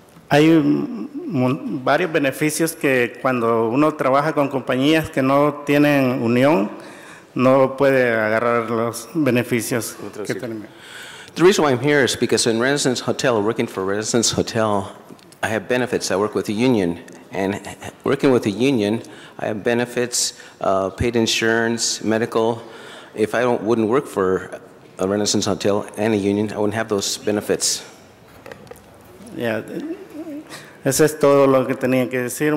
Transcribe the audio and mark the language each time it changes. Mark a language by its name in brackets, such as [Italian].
[Spanish] hay varios beneficios que cuando uno trabaja con compañías que no tienen Unión, no puede agarrar los beneficios que tenemos. [English] The reason why I'm here is because in Renaissance Hotel, working for Renaissance Hotel, I have benefits. I work with a union. And working with a union, I have benefits, paid insurance, medical. If I wouldn't work for a Renaissance Hotel and a union, I wouldn't have those benefits. [Spanish] Yeah, eso es todo lo que tenía que decir.